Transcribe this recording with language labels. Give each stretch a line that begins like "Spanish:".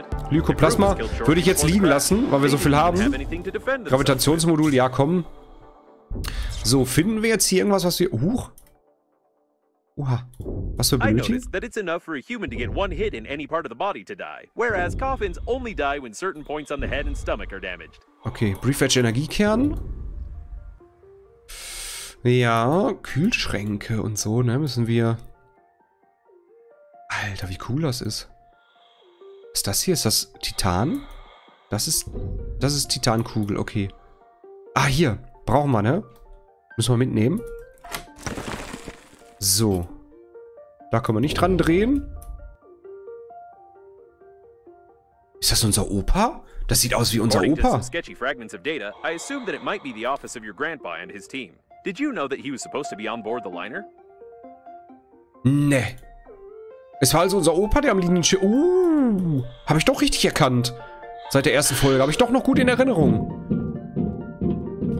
German: Lycoplasma würde ich jetzt liegen lassen, weil wir so viel haben. Gravitationsmodul, ja komm. So, finden wir jetzt hier irgendwas, was wir... Huch! Oha! Was wir benötigen?
English: I noticed that it's enough for a human to get one hit in any part of the body to die. Whereas coffins only die when certain points on the head and stomach are damaged.
German: Okay, Brief Edge Energiekern. Ja, Kühlschränke und so, ne, müssen wir... Alter, wie cool das ist. Ist das hier, ist das Titan? Das ist Titankugel, okay. Ah, hier! Brauchen wir, ne? Müssen wir mitnehmen. So. Da können wir nicht dran drehen. Ist das unser Opa? Das sieht aus wie unser Opa.
English: According to some sketchy fragments of data, I assume that it might be the office of your grandpa and his team. Did you know that he was supposed to be on board the liner?
German: Nee. Es war also unser Opa, der am Linienschiff... Habe ich doch richtig erkannt. Seit der ersten Folge habe ich doch noch gut in Erinnerung.